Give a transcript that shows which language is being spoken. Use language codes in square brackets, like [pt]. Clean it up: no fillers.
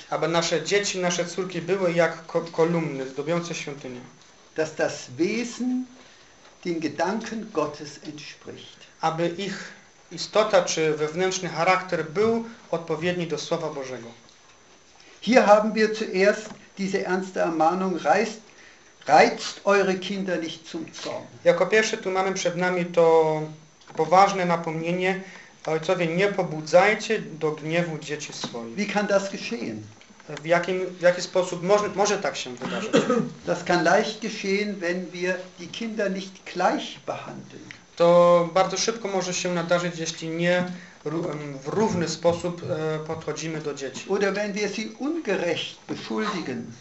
[pl] Aby nasze dzieci, nasze córki były jak kolumny zdobiące świątynię. [de] Dass das Wesen den Gedanken Gottes entspricht. [pl] Aby ich istota czy wewnętrzny charakter był odpowiedni do Słowa Bożego. [de] Hier haben wir zuerst diese ernste Ermahnung, reizt eure Kinder nicht zum Zorn. [pl] Jako pierwsze tu mamy przed nami to poważne napomnienie, ojcowie, nie pobudzajcie do gniewu dzieci swoich. [de] Wie kann das geschehen? [pl] W jaki sposób może tak się wydarzyć? [de] Das kann leicht geschehen, wenn wir die Kinder nicht gleich behandeln. [pl] To bardzo szybko może się nadarzyć, jeśli nie w równy sposób podchodzimy do dzieci. [de] Oder wenn wir sie ungerecht beschuldigen.